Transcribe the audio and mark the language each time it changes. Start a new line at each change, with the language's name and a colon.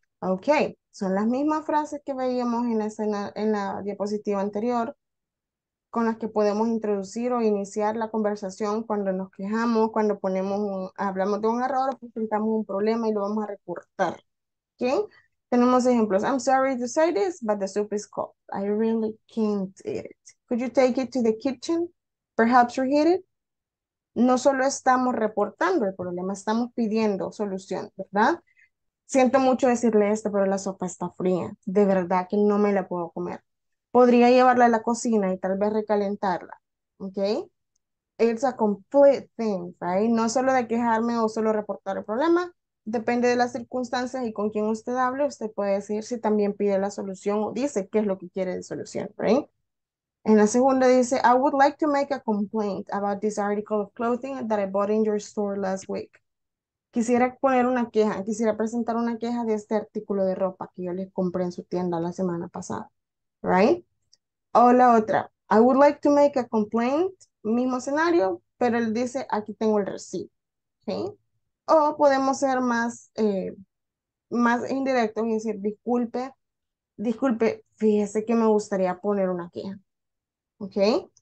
Spanish: Okay, son las mismas frases que veíamos en la escena, en la diapositiva anterior, con las que podemos introducir o iniciar la conversación cuando nos quejamos, cuando ponemos un, hablamos de un error, presentamos un problema y lo vamos a recortar. ¿Okay? Tenemos ejemplos.
English: I'm sorry to say this, but the soup is cold. I really can't eat it. Could you take it to the kitchen? Perhaps reheat it?
Spanish: No solo estamos reportando el problema, estamos pidiendo solución, ¿verdad? Siento mucho decirle esto, pero la sopa está fría. De verdad que no me la puedo comer. Podría llevarla a la cocina y tal vez recalentarla, ¿ok?
English: It's a complete thing, right?
Spanish: No solo de quejarme o solo reportar el problema. Depende de las circunstancias y con quién usted hable, usted puede decir si también pide la solución o dice qué es lo que quiere de solución, right? En la segunda dice,
English: I would like to make a complaint about this article of clothing that I bought in your store last week.
Spanish: Quisiera poner una queja, quisiera presentar una queja de este artículo de ropa que yo les compré en su tienda la semana pasada. Right? O la otra.
English: I would like to make a complaint.
Spanish: Mismo escenario, pero él dice, aquí tengo el receipt. Okay? O podemos ser más, más indirectos y decir, disculpe, disculpe, fíjese que me gustaría poner una queja. Okay?